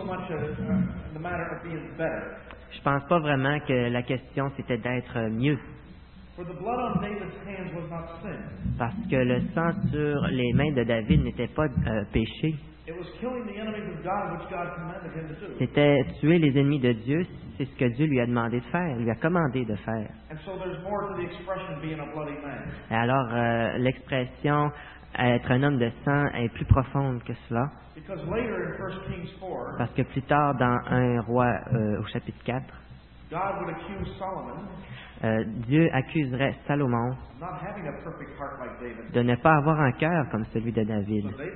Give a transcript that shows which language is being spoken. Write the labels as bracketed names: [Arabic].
[French] Je pense pas vraiment que la question c'était d'être mieux. [English] For the blood on David's hands was not sin. [French] Parce que le sang sur les mains de David n'était pas péché. [English] It was killing the enemies of God, which God commanded him to do. [French] C'était tuer les ennemis de Dieu, c'est ce que Dieu lui a demandé de faire, lui a commandé de faire. [English] And so there's more to the expression being a bloody man. [French] Et alors l'expression être un homme de sang est plus profonde que cela. [English] Because later in 1 Kings 4, [French] parce que plus tard dans 1 Roi au chapitre 4, [English] God would accuse Solomon. [French] Dieu accuserait Salomon de ne pas avoir un cœur comme celui de David.